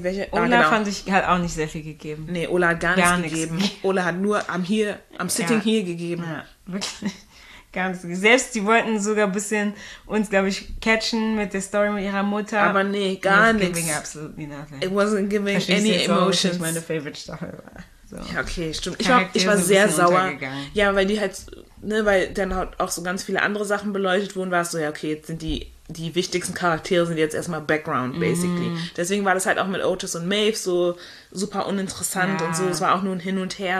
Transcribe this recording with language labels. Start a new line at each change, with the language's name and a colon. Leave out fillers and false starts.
German: Ola fand ich, hat auch nicht sehr viel gegeben. Nee, Ola hat gar nichts gegeben. Ola hat nur am Sitting hier gegeben. Ja, wirklich. Gar nichts. Selbst die wollten sogar ein bisschen uns, glaube ich, catchen mit der Story mit ihrer Mutter. Aber nee, gar nichts.
English: Giving absolutely nothing. It wasn't giving any emotions.
German: Das war meine favorite Story. So. Ja, okay, stimmt. Ich war sehr sauer. Ja, weil die halt, ne, weil dann auch so ganz viele andere Sachen beleuchtet wurden, war es so, ja, okay, jetzt sind die wichtigsten Charaktere sind jetzt erstmal Background, basically. Deswegen war das halt auch mit Otis und Maeve so super uninteressant und so. Es war auch nur ein Hin und Her.